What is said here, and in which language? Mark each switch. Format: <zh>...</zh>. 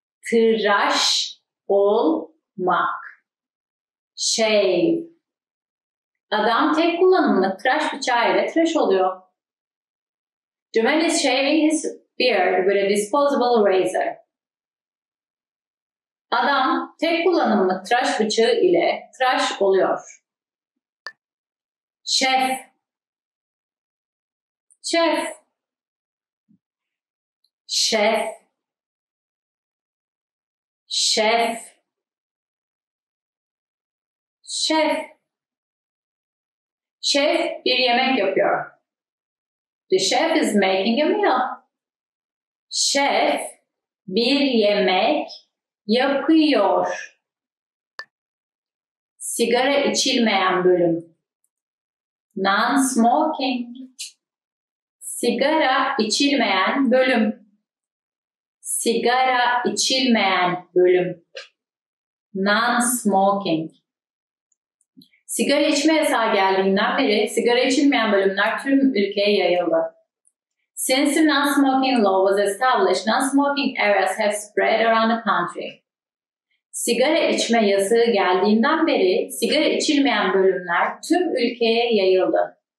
<tr>Tıraş olmak.</tr> <en>Shave.</en> <tr>Adam tek kullanımlık tıraş bıçağıyla tıraş oluyor.</tr> <en>The man is shaving his beard with a disposable razor.</en> <tr>Adam tek kullanımlı tıraş bıçağı ile tıraş oluyor. Şef. Şef. Şef. Şef. Şef. Şef bir yemek yapıyor.</tr> <en>The chef is making a meal.</en> <tr>Şef bir yemek yapıyor. Sigara içilmeyen bölüm.</tr> <en>Non-smoking.</en> <tr>Sigara içilmeyen bölüm. Sigara içilmeyen bölüm.</tr> <en>Non-smoking.</en> <tr>Sigara içme yasağı geldiğinden beri sigara içilmeyen bölümler tüm ülkeye yayıldı.</tr> <en>Since the non-smoking law was established, non-smoking areas have spread around the country.</en> <tr>Sigara içme yasağı geldiğinden beri sigara içilmeyen bölümler tüm ülkeye yayıldı.</tr>